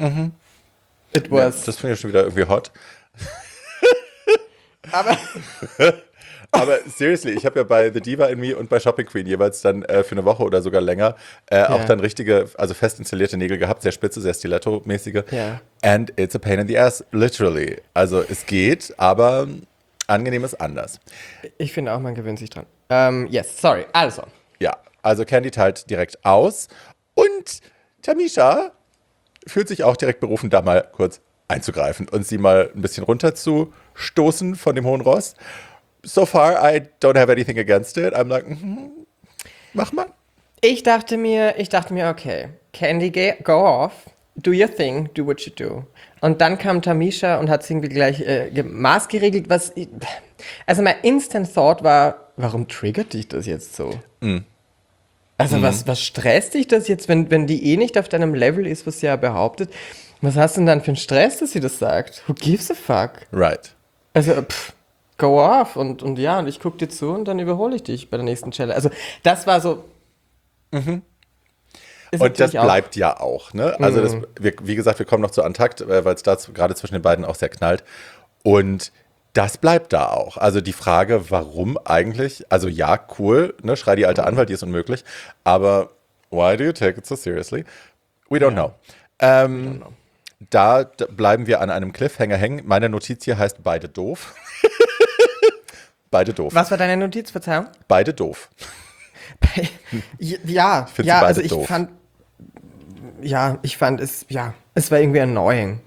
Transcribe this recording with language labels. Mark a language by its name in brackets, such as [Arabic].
[English] Mhm. It was. [German] Ja, das finde ich schon wieder irgendwie hot. Aber seriously, ich habe ja bei The Diva in Me und bei Shopping Queen jeweils dann für eine Woche oder sogar länger auch dann richtige, also fest installierte Nägel gehabt, sehr spitze, sehr stiletto-mäßige. [English] Yeah. And it's a pain in the ass, literally. [German] Also es geht, aber angenehm ist anders. Ich finde auch, man gewöhnt sich dran. [English] Yes, sorry, also. [German] Ja, also Candy teilt direkt aus und Tamisha fühlt sich auch direkt berufen, da mal kurz einzugreifen und sie mal ein bisschen runterzustoßen von dem hohen Ross. [English] so far, I don't have anything against it. I'm like, mm-hmm, [German] mach mal. Ich dachte mir, okay, Candy, [English] go off, do your thing, do what you do. [German] Und dann kam Tamisha und hat es irgendwie gleich maßgeregelt. Also mein [English] instant thought [German] war, warum triggert dich das jetzt so? Was stresst dich das jetzt, wenn die eh nicht auf deinem Level ist, was sie ja behauptet? Was hast du denn dann für einen Stress, dass sie das sagt? [English] Who gives a fuck? Right. Also, go off. [German] Und ja, und ich gucke dir zu und dann überhole ich dich bei der nächsten Challenge. Also, das war so. Mhm. Und das bleibt auch. Ja auch, ne? Also, wie gesagt, wir kommen noch zu Antakt, weil es da gerade zwischen den beiden auch sehr knallt. Und das bleibt da auch. Also die Frage, warum eigentlich? Also ja, cool, ne? Schrei die alte an, weil die ist unmöglich. Aber [English] why do you take it so seriously? We don't know. [German] Da bleiben wir an einem Cliffhanger hängen. Meine Notiz hier heißt beide doof. Beide doof. Was war deine Notiz, Verzeihung? Beide doof. Ich fand, ja, ich fand es, ja, es war irgendwie annoying.